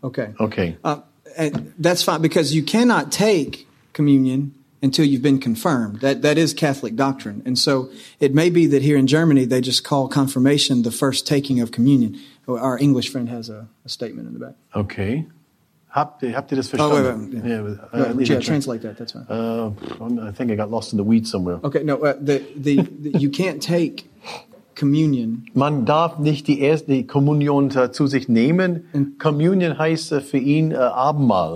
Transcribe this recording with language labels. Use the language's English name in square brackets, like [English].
[English] Okay. Okay. And that's fine because you cannot take communion until you've been confirmed. That is Catholic doctrine. And so it may be that here in Germany, they just call confirmation the first taking of communion. Our English friend has a statement in the back. Okay. [German] Habt ihr das verstanden? [English] Oh, wait. Yeah, translate that. That's fine. I think I got lost in the weeds somewhere. Okay, no. The you can't take communion. [German] Man darf nicht die Kommunion zu sich nehmen. Communion heißt für ihn Abendmahl.